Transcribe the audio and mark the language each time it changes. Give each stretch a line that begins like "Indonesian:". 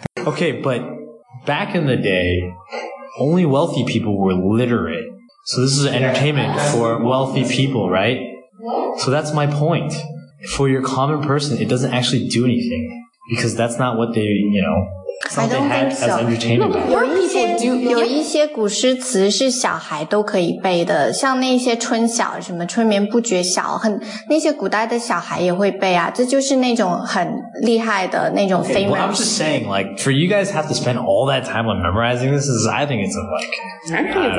English: Okay, but back in the day, only wealthy people were literate. So this is entertainment for wealthy people, right? So that's my point. For your common person, it doesn't actually do anything because that's not what they, you know. I don't think so.
Chinese: No, 有一些古诗词是小孩都可以背的，像那些春晓什么春眠不觉晓，很那些古代的小孩也会背啊，这就是那种很厉害的那种 famous.
English: Okay, well, I'm just saying, like, for you guys have to spend all that time on memorizing this, I think it's a, like,